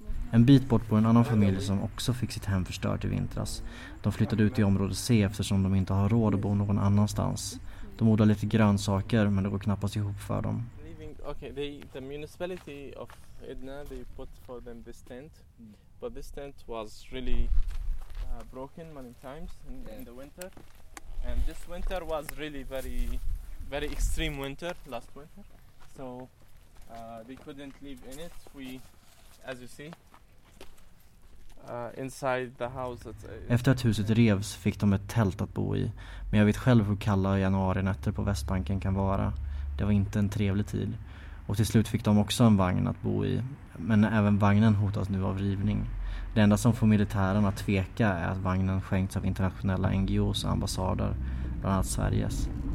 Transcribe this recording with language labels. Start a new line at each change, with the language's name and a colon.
Swedish: En bit bort bor en annan familj som också fick sitt hem förstört i vintras. De flyttade ut i område C eftersom de inte har råd att bo någon annanstans. De odlar lite grönsaker men det går knappast ihop för dem.
English: Okay, the municipality of Edna, they put for them this tent, but this tent was really broken many times in the winter, and this winter was really very, very extreme winter last winter, so they couldn't live in it. We, as you see, inside the house.
Swedish: Efter att huset revs fick de ett tält att bo i, men jag vet själv hur kalla januari nätter på Västbanken kan vara. Det var inte en trevlig tid. Och till slut fick de också en vagn att bo i. Men även vagnen hotas nu av rivning. Det enda som får militären att tveka är att vagnen skänkts av internationella NGOs och ambassader, bland annat Sveriges.